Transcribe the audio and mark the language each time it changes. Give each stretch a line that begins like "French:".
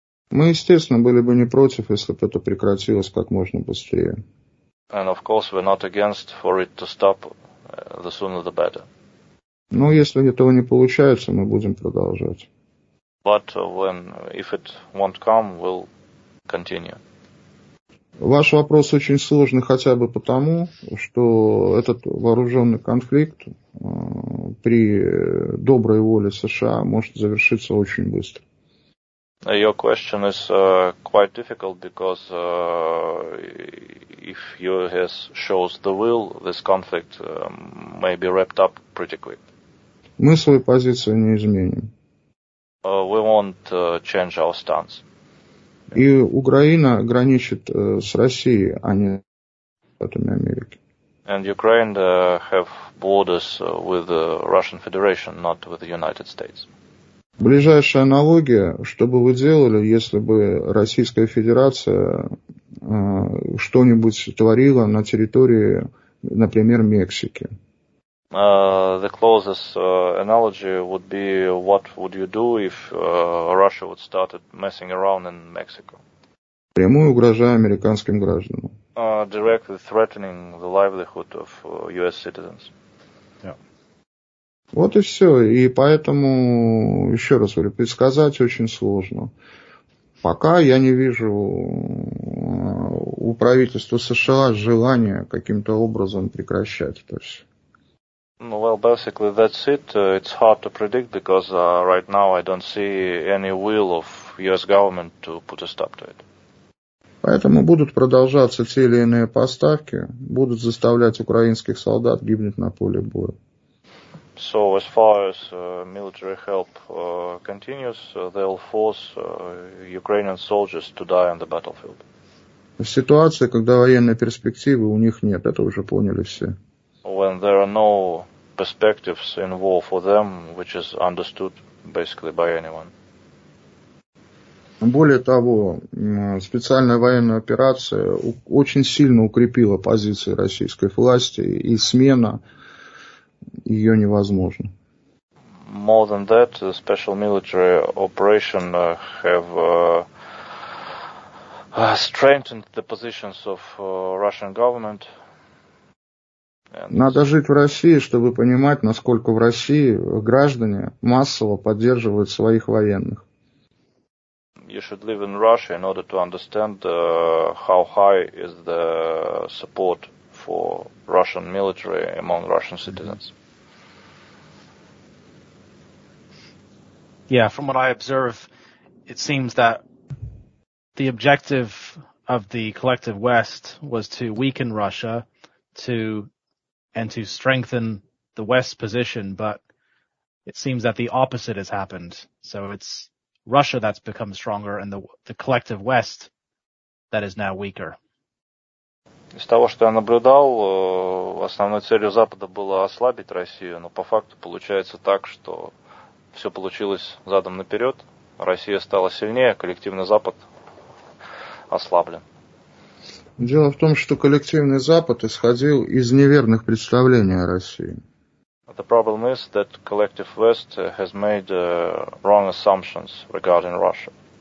Russian: Мы, естественно, были бы не против, если бы это прекратилось как можно быстрее.
English: And of course we're not against for it to stop. The sooner the better.
Russian: Но если этого не получается, мы будем продолжать.
English: But when, if it won't come, we'll continue.
Russian: Ваш вопрос очень сложный хотя бы потому, что этот вооруженный конфликт при доброй воле США может завершиться очень быстро.
English: Your question is quite difficult because if US shows the will, this conflict may be wrapped up pretty quick.
Russian: Мы свою позицию не изменим.
English: We won't change our stance.
Russian: И Украина граничит с Россией, а не с Штатами Америки.
English: And Ukraine have borders with the Russian Federation, not with the United States.
Russian: Ближайшая аналогия, что бы вы делали, если бы Российская Федерация что-нибудь творила на территории, например, Мексики?
English: The closest analogy would be what would you do if Russia would start messing around in Mexico?
Russian: Прямую угрожая американским гражданам.
English: Directly threatening the livelihood of US citizens.
Russian: Вот и все. И поэтому, еще раз говорю, предсказать очень сложно. Пока я не вижу у правительства США желания каким-то образом прекращать это все.
English: Well, basically, that's it. It's hard to predict, because right now I don't see any will of US government to put a stop to it.
Russian: Поэтому будут продолжаться те или иные поставки, будут заставлять украинских солдат гибнуть на поле боя.
English: So as far as military help continues, they'll force Ukrainian soldiers to die on the battlefield.
Russian: В ситуации, когда военной перспективы у них нет, это уже поняли все.
English: When there are no perspectives in war for them, which is understood basically by anyone.
Russian: Более того, специальная военная операция очень сильно укрепила позиции российской власти, и смена ее невозможно.
English: More than that, the special military operation have strengthened the positions of Russian government.
Russian: Надо жить в России, чтобы понимать, насколько в России граждане массово поддерживают своих военных.
English: You should live in Russia in order to understand how high is the support of for Russian military among Russian citizens. Yeah, from what I observe, it seems that the objective of the collective West was to weaken Russia to strengthen the West's position, but it seems that the opposite has happened. So it's Russia that's become stronger and the collective West that is now weaker.
Russian: Из того, что я наблюдал, основной целью Запада было ослабить Россию, но по факту получается так, что все получилось задом наперед. Россия стала сильнее, коллективный Запад ослаблен. Дело в том, что коллективный Запад исходил из неверных представлений о России.
English: The problem is that collective West has made wrong assumptions regarding Russia.